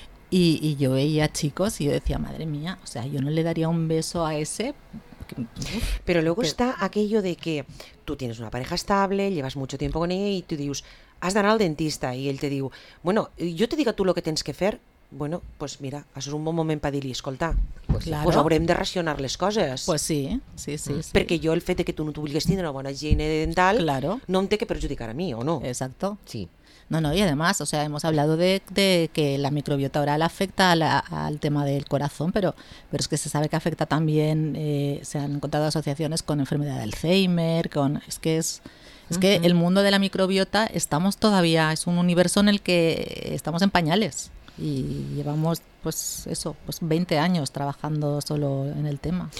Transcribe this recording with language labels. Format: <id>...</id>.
<es>Y yo veía chicos y yo decía, madre mía, o sea, yo no le daría un beso a ese. Pero luego está aquello de que tú tienes una pareja estable, llevas mucho tiempo con ella y tú dices, has de ir al dentista. Y él te digo, bueno, yo te digo tú lo que tienes que hacer.</es> <ca>Bueno, pues mira, això és un bon moment per dir-li, escolta, pues haurem de racionar les coses.</ca> <es>Pues sí.</es> <ca>Perquè jo el fet de que tu no t'obligues a tindre una bona higiene dental</ca> <es>claro.</es> <ca>No em té que perjudicar a mi, o no?</ca> <es>Exacto. Sí. No, no, y además, o sea, hemos hablado de que la microbiota oral afecta al tema del corazón, pero es que se sabe que afecta también, se han encontrado asociaciones con enfermedad de Alzheimer, con es que el mundo de la microbiota estamos todavía, es un universo en el que estamos en pañales y llevamos, pues eso, pues 20 años trabajando solo en el tema.</es>